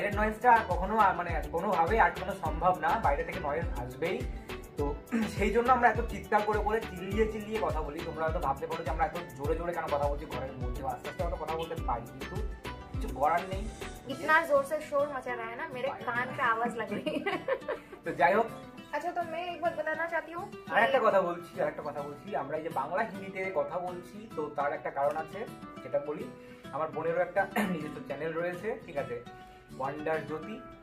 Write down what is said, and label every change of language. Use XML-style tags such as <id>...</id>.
<bn>সম্ভব না, বাইরে থেকে নয়েজ আসবেই, তো সেই জন্য আমরা এত চিৎকার করে করে চিল্লিয়ে চিল্লিয়ে কথা বলি। তোমরা হয়তো ভাবতে পারো যে আমরা এত জোরে জোরে কেন কথা বলছি ঘরের মধ্যে, আস্তে আস্তে আমরা কথা বলতে পারি, কিন্তু কিছু করার নেই,</bn> <hi>इतना जोर से शोर मचा रहा है ना मेरे कान पे आवाज लग रही तो जाइयो। अच्छा तो मैं एक बात बताना चाहती हूँ,</hi> <bn>আরেকটা কথা বলছি আমরা এই যে বাংলা হিন্দিতে কথা বলছি তো তার একটা কারণ আছে, যেটা বলি আমার বোনেরও একটা নিজস্ব চ্যানেল রয়েছে, ঠিক আছে, ওয়ান্ডার জ্যোতি।</bn>